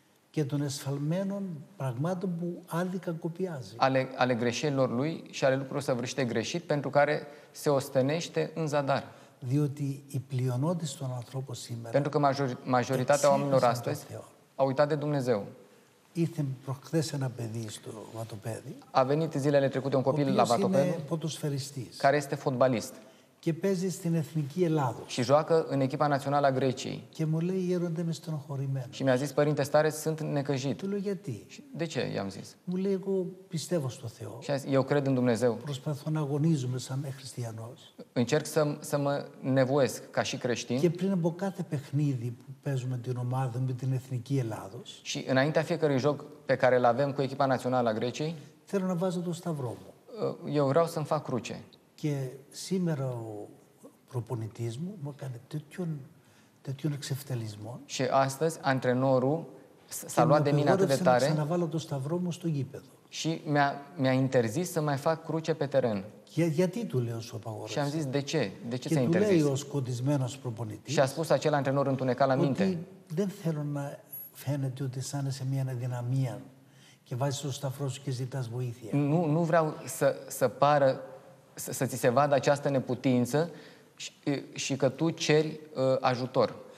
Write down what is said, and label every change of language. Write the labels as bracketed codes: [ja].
[el] Και των εσφαλμένων πραγμάτων που άλλοι κακοποιάζει. [ro] Ale greșelilor lui și ale lucrurilor săvârșite greșit pentru care se ostenește în zadar. [el] Διότι η πλειονότητα των ανθρώπων σήμερα. [ro] Pentru că majoritatea oamenilor astăzi a uitat de Dumnezeu. [el] Ήρθε προχθές ένα παιδί στο βατοπέδι. [ro] A venit zilele trecute un copil la Vatopedu. [el] Είναι ποδοσφαιριστής. [ro] Care este fotbalist. [el] Και παίζει στην εθνική Ελλάδα. [ro] Și joacă în echipa națională a Greciei. [el] Και μου λέει γέροντε με στενοχωρημένο. [ro] Și mi-a zis, părinte stare, sunt necăjit. [el] Του λέω γιατί. [ro] De ce, i-am zis. [el] Μου λέει εγώ πιστεύω στο Θεό. [ro] Și eu cred în Dumnezeu. [el] Προσπαθώ να αγωνίζομαι σαν χριστιανός. [ro] Încerc să mă nevoiesc ca și creștin. [el] Και πριν από κάθε παιχνίδι που παίζουμε την ομάδα με την εθνική Ελλάδα. [ro] Și înaintea fiecărui joc pe care îl avem cu echipa națională a Greciei. [el] Θέλω να βάζω το σταυρό μου. [ro] Eu vreau să-mi fac cruce. [el] Και σήμερα ο προπονητής μου μου έκανε τέτοιον εξευτελισμό. Και άστας, αντρενόρου, σα λουά δε μήνα τότε τάρε. Και να βάλω το σταυρό μου στο γήπεδο. [ro] Și mi-a interzis să mai fac cruce pe teren. [el] Γιατί του λέω σου απαγόρευσε. [ro] Și am zis, de ce? De ce ți-a interzis? [el] Και του λέει ο σκοτισμένος προπονητής. [ro] Și a spus acel antrenor întunecat la minte. [el] Ότι δεν θέλω να φαίνεται ότι σαν σε μια αδυναμία και βάζεις το σταυρό σου και ζητάς βοήθεια. [ro] Nu vreau să pară să ți se vadă această neputință și că tu ceri ajutor.